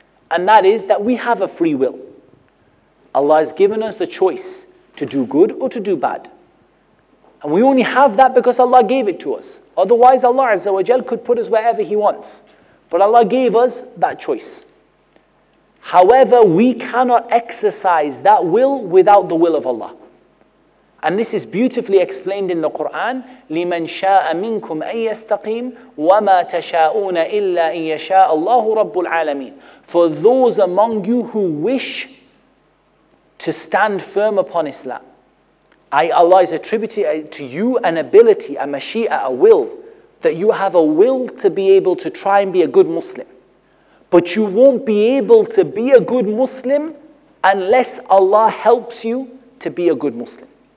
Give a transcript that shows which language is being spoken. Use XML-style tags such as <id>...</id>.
<en>And that is that we have a free will. Allah has given us the choice to do good or to do bad. And we only have that because Allah gave it to us. Otherwise Allah Azza wa Jal could put us wherever He wants. But Allah gave us that choice. However, we cannot exercise that will without the will of Allah. And this is beautifully explained in the Quran,</en> <ar>لِمَنْ شَاءَ مِنْكُمْ أَنْ يَسْتَقِيمْ وَمَا تَشَاءُونَ إِلَّا إِنْ يَشَاءَ اللَّهُ رَبُّ الْعَالَمِينَ.</ar> <en>For those among you who wish to stand firm upon Islam, Allah is attributing to you an ability, a mashi'ah, a will, that you have a will to be able to try and be a good Muslim. But you won't be able to be a good Muslim unless Allah helps you to be a good Muslim.</en>